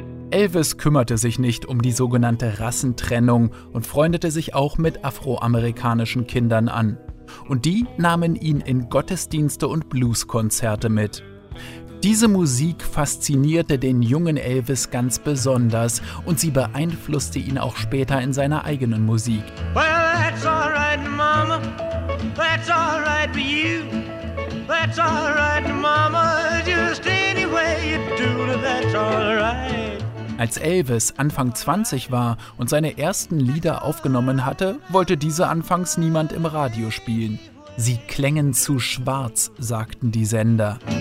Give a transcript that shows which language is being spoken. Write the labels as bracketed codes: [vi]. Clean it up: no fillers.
[de] Elvis kümmerte sich nicht um die sogenannte Rassentrennung und freundete sich auch mit afroamerikanischen Kindern an. Und die nahmen ihn in Gottesdienste und Blueskonzerte mit. Diese Musik faszinierte den jungen Elvis ganz besonders und sie beeinflusste ihn auch später in seiner eigenen Musik. [en] Well, that's all right, Mama. That's all right for you. That's all right, Mama. Just any way you do, that's all right. [de] Als Elvis Anfang 20 war und seine ersten Lieder aufgenommen hatte, wollte diese anfangs niemand im Radio spielen. Sie klängen zu schwarz, sagten die Sender.